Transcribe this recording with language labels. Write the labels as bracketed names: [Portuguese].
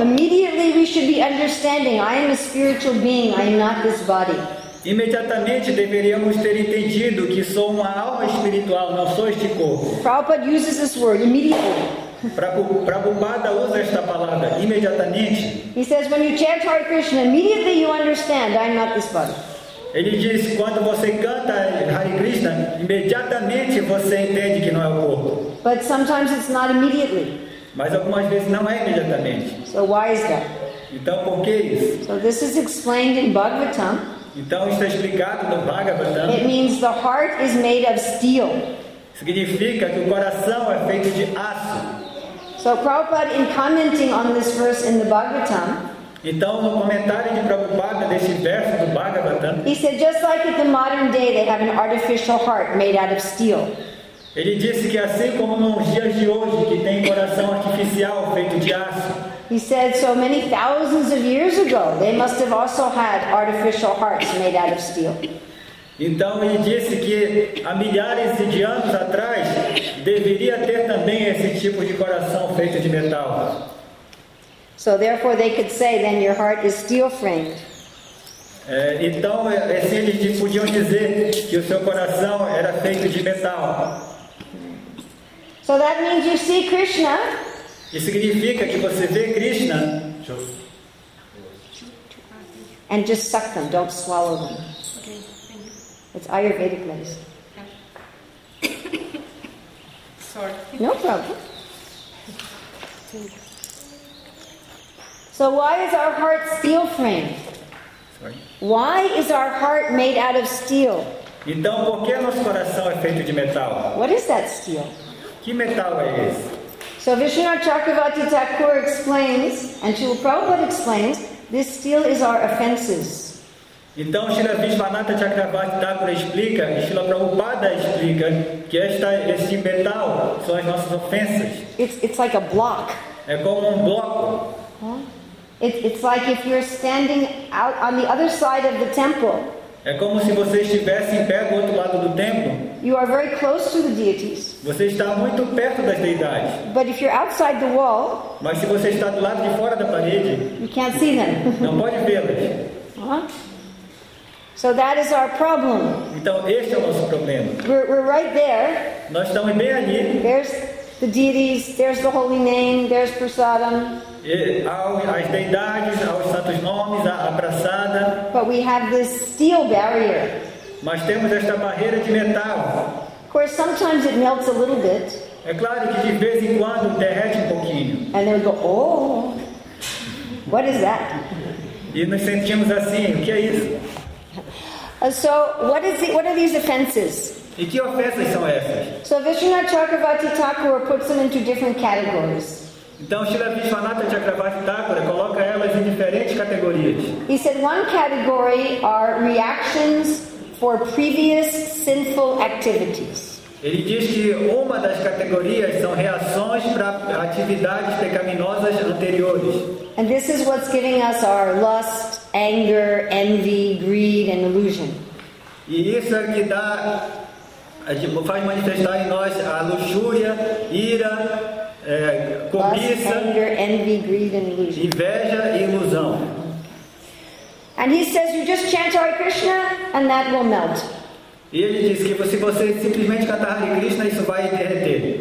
[English] Immediately we should be understanding, "I am a spiritual being, I am not this body." [Portuguese] Imediatamente deveríamos ter entendido que sou uma alma espiritual, não sou este corpo. [English] Prabhupada uses this word immediately. [Portuguese] Prabhupada usa esta palavra imediatamente. [English] He says, "When you chant Hare Krishna, immediately you understand I'm not this body." [Portuguese] Ele diz, quando você canta Hare Krishna, imediatamente você entende que não é o corpo. [English] But sometimes it's not immediately. [Portuguese] Mas algumas vezes não é imediatamente. [English] So why is that? [Portuguese] Então por que isso? [English] So this is explained in Bhagavatam. [Portuguese] Então está explicado no Bhagavatam. [English] It means the heart is made of steel. [Portuguese] Significa que o coração é feito de aço. [English] So Prabhupada, in commenting on this verse in the Bhagavatam. [Portuguese] Então no comentário de Prabhupada desse verso do Bhagavatam. [English] He said, just like in the modern day, they have an artificial heart made out of steel. [Portuguese] Ele disse que assim como nos dias de hoje, que tem coração artificial feito de aço. [English] He said, so many thousands of years ago, they must have also had artificial hearts made out of steel. [Portuguese] Então ele disse que há milhares de anos atrás deveria ter também esse tipo de coração feito de metal. [English] So therefore they could say, then your heart is steel framed. [Portuguese] Então assim eles podiam dizer que o seu coração era feito de metal. [English] So that means you see Krishna. [Portuguese] Isso significa que você vê Krishna. [English] And just suck them, don't swallow them. Okay, thank you. It's Ayurvedic medicine. Sorry. No problem. Thank you. So why is our heart steel framed? Why is our heart made out of steel? [Portuguese] Então, por que nosso coração é feito de metal? [English] What is that steel? [Portuguese] Que metal é esse? [English] So Vishnu Chakravarti Thakur explains, and Srila Prabhupada explains, this steel is our offenses. [Portuguese] Então, Srila Vishvanatha Chakravarti Thakur explica, e Srila Prabhupada explica, que esse metal são as nossas ofensas. [English] It's like a block. [Portuguese] É como bloco. [English] It's like if you're standing out on the other side of the temple. [Portuguese] É como se você estivesse em pé do outro lado do templo. [English] You are very close to the deities. [Portuguese] Você está muito perto das deidades. [English] But if you're outside the wall, [Portuguese] mas se você está do lado de fora da parede, [English] you can't see them. [Portuguese] Não pode vê-las. [English] So that is our problem. [Portuguese] Então este é o nosso problema. [English] We're right there. [Portuguese] Nós estamos bem ali. [English] There's the deities, there's the holy name, there's prasadam. [Portuguese] As deidades, aos santos nomes, a abraçada. [English] But we have this steel barrier. [Portuguese] Mas temos esta barreira de metal. [English] Of course, sometimes it melts a little bit. [Portuguese] É claro que de vez em quando derrete pouquinho. [English] And then we go, oh, what is that? [Portuguese] E nos sentimos assim, o que é isso? [English] So, what are these offenses? [Portuguese] E que ofensas são essas? [English] So, Vishnu Chakravarti Thakur puts them into different categories. [Portuguese] Então, Srila Vishvanatha Chakravarti Thakura coloca elas em diferentes categorias. [English] He said one category are reactions for previous sinful activities. [Portuguese] Ele diz que uma das categorias são reações para atividades pecaminosas anteriores. [English] And this is what's giving us our lust, anger, envy, greed, and illusion. [Portuguese] E isso é que dá, faz manifestar em nós a luxúria, ira, cobiça, [English] anger, envy, greed, and illusion. [Portuguese] Inveja e ilusão. [English] And he says, you just chant Hare Krishna, and that will melt. [Portuguese] E ele diz que se você simplesmente cantar Hare Krishna, isso vai derreter.